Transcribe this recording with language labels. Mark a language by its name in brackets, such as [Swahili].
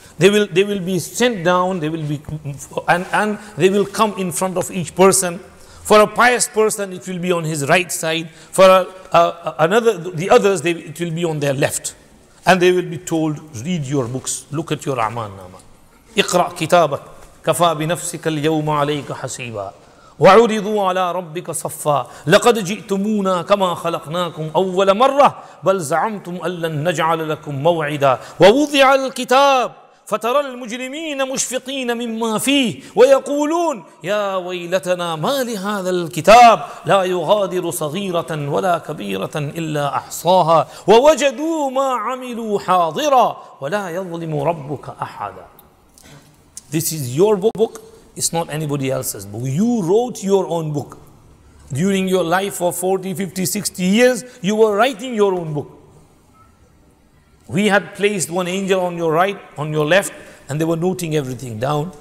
[English] They will be sent down, and they will come in front of each person. For a pious person, it will be on his right side. For it will be on their left. And they will be told, read your books, look at your a'mal nama. [Arabic] Iqra' kitabak, kafa bi nafsika al-yawma alayka hasiba. وعرضوا على ربك صفا لقد جئتمونا كما خلقناكم أول مرة بل زعمتم أن لن نجعل لكم موعدا ووضع الكتاب فترى المجرمين مشفقين مما فيه ويقولون يا ويلتنا ما لهذا الكتاب لا يغادر صغيرة ولا كبيرة إلا أحصاها ووجدوا ما عملوا حاضرا ولا يظلم ربك أحدا. [English] This is your book. It's not anybody else's book. You wrote your own book. During your life of 40, 50, 60 years, you were writing your own book. We had placed one angel on your right, on your left, and they were noting everything down.